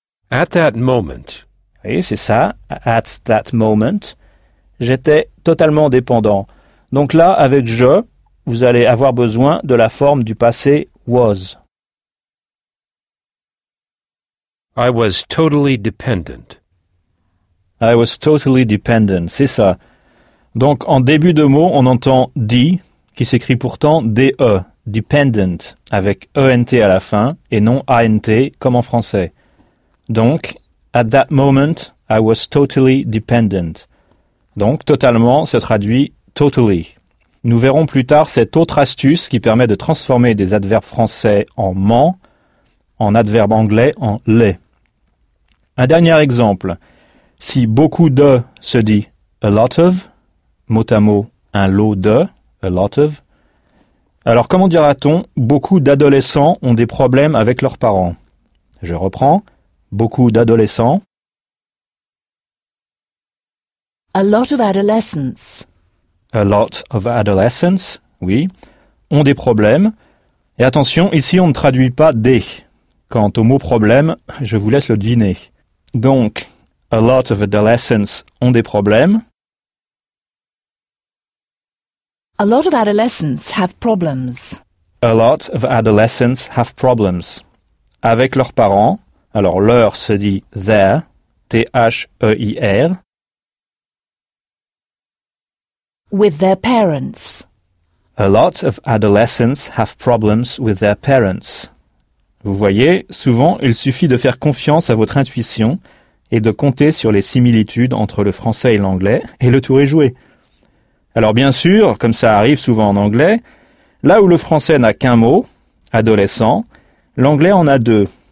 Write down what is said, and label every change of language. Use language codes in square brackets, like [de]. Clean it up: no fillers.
[en] At that moment. [fr] Oui, c'est ça. [en] At that moment. [fr] J'étais totalement dépendant. Donc là, avec je, vous allez avoir besoin de la forme du passé was. [en] I was totally dependent. I was totally dependent, [fr] c'est ça. Donc, en début de mot, on entend « di », qui s'écrit pourtant « de », « dependent », avec « ent » à la fin, et non « ant », comme en français. Donc, [en] « at that moment, I was totally dependent ». [fr] Donc, « totalement », se traduit « totally ». Nous verrons plus tard cette autre astuce qui permet de transformer des adverbes français en « ment », en adverbe anglais en « les ». Un dernier exemple. Si beaucoup de se dit a lot of, mot à mot, un lot de, a lot of, alors comment dira-t-on beaucoup d'adolescents ont des problèmes avec leurs parents? Je reprends, beaucoup d'adolescents. [en] A lot of adolescents. A lot of adolescents, [fr] oui, ont des problèmes. Et attention, ici on ne traduit pas des. Quant au mot problème, je vous laisse le deviner. Donc, [en] a lot of adolescents [fr] ont des problèmes. [en] A lot of adolescents have problems. A lot of adolescents have problems. [fr] Avec leurs parents, alors leur se dit their, T-H-E-I-R. [en] With their parents. A lot of adolescents have problems with their parents. [fr] Vous voyez, souvent, il suffit de faire confiance à votre intuition et de compter sur les similitudes entre le français et l'anglais, et le tour est joué. Alors bien sûr, comme ça arrive souvent en anglais, là où le français n'a qu'un mot, adolescent, l'anglais en a deux.